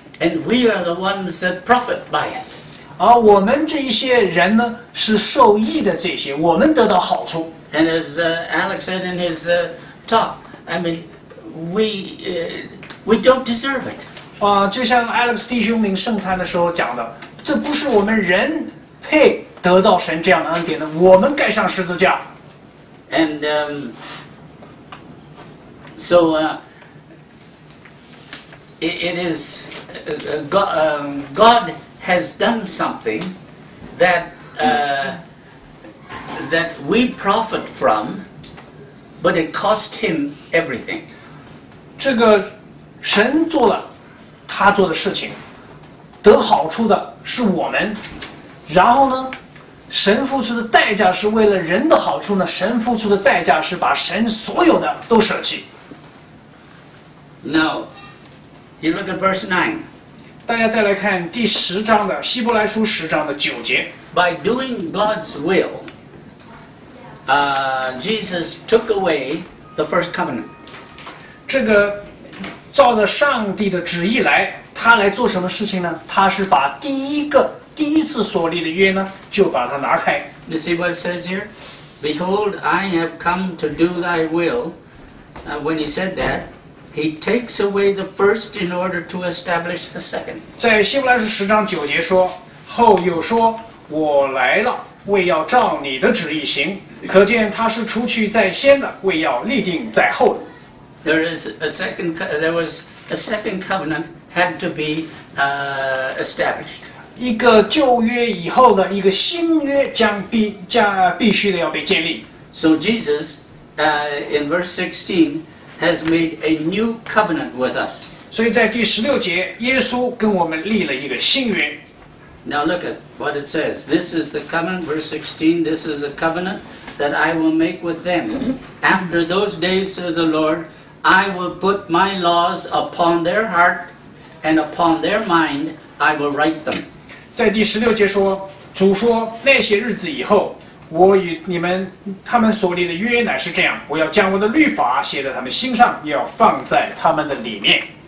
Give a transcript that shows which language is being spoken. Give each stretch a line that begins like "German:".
English: And we are the ones that profit by it.
Chinese: 我们这一些人呢，是受益的这些，我们得到好处。
English: And as Alex said in his talk, I mean, we don't deserve it.
Chinese: 就像 Alex 弟兄领圣餐的时候讲的，这不是我们人配得到神这样的恩典的，我们该上十字架。
English: And so it is God has done something that that we profit from, but it cost him everything.
Chinese: 这个神做了他做的事情，得好处的是我们。然后呢，神付出的代价是为了人的好处呢，神付出的代价是把神所有的都舍弃。
English: Now, you look at verse 9.
Chinese: 大家再来看第十章的希伯来书十章的九节。
English: By doing God's will, Jesus took away the first covenant.
Chinese: 这个照着上帝的旨意来，他来做什么事情呢？他是把第一次所立的约呢，就把它拿开。
English: You see what it says here? Behold, I have come to do thy will. When he said that,He takes away the first in order to establish the second.
Chinese: 在希伯来书十章九节说，后又说，我来了，为要照你的旨意行。可见他是除去在先的，为要立定在后的。
English: There is a second. There was a second covenant had to be established.
Chinese: 一个旧约以后的一个新约必须的要被建立。
English: So Jesus, in verse 16. Has made a new covenant with us.
Chinese: 所以在第十六节，耶稣跟我们立了一个新约。
English: Now look at what it says. This is the covenant, verse 16. This is the covenant that I will make with them. After those days, says the Lord, I will put my laws upon their heart, and upon their mind I will write them.
Chinese: 在第十六节说，主说那些日子以后。我与你们他们所立的约乃是这样，我要将我的律法写在他们心上，要放在他们的里面。